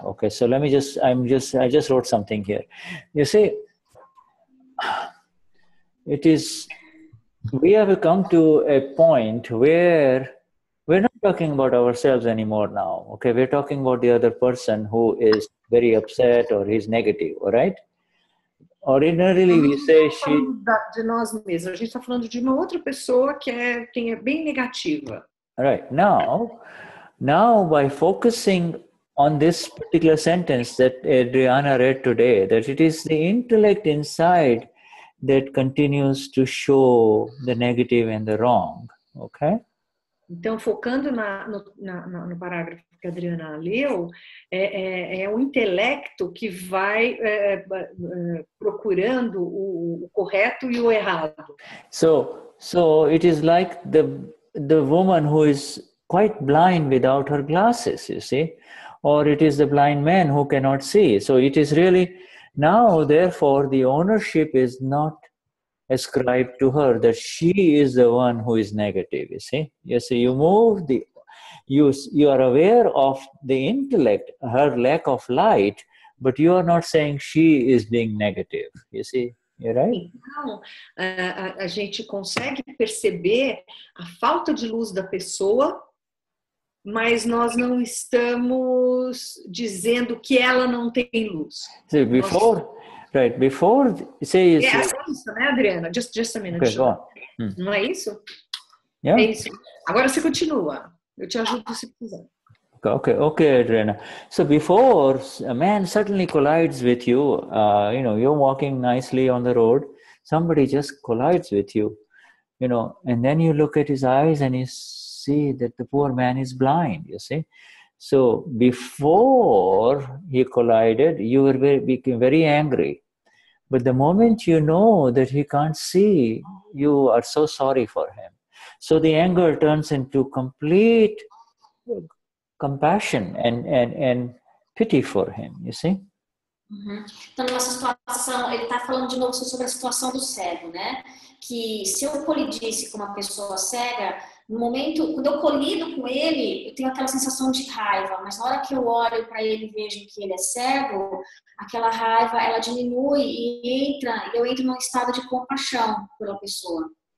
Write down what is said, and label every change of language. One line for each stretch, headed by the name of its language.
English: Okay, so let me just, I just wrote something here. You see, it is... We have come to a point where we're not talking about ourselves anymore now. Okay, we're talking about the other person who is very upset or he's negative, all right? Ordinarily, we say she...
Portuguese: De nós mesmos. A gente está falando de uma outra pessoa que é bem negativa.
English: All right. Now, by focusing on this particular sentence that Adriana read today, that it is the intellect inside that continues to show the negative and the wrong, okay?
Portuguese: Então, focando no parágrafo que a Adriana leu, é o intelecto que vai procurando o correto e o errado.
English: So it is like the woman who is quite blind without her glasses, you see, or it is the blind man who cannot see. So it is really now, therefore, the ownership is not ascribed to her, that she is the one who is negative, you see. You move you are aware of the intellect, her lack of light, but you are not saying she is being negative, you see.
Portuguese: Então, a gente consegue perceber a falta de luz da pessoa, mas nós não estamos dizendo que ela não tem luz.
English: See, before,
Portuguese: nós...
English: right, before, say,
Portuguese: é isso, né,
English: Adriana? Just a minute. Okay, go on.
Portuguese: Não é isso?
English: Yeah.
Portuguese: É isso. Agora você continua. Eu te ajudo se quiser.
English: Okay, Adriana. So before, a man suddenly collides with you, you're walking nicely on the road, somebody just collides with you, you know, and then you look at his eyes and you see that the poor man is blind, you see. So before he collided, you were became very angry. But the moment you know that he can't see, you are so sorry for him. So the anger turns into complete compassion and pity for him, you see?
Portuguese: Então, nossa situação, ele está falando de novo sobre a situação do cego, né? Que se eu colidisse com uma pessoa cega, no momento, quando eu colido com ele, eu tenho aquela sensação de raiva, mas na hora que eu olho para ele e vejo que ele é cego, aquela raiva, ela diminui e entra, eu entro num estado de compaixão pela pessoa.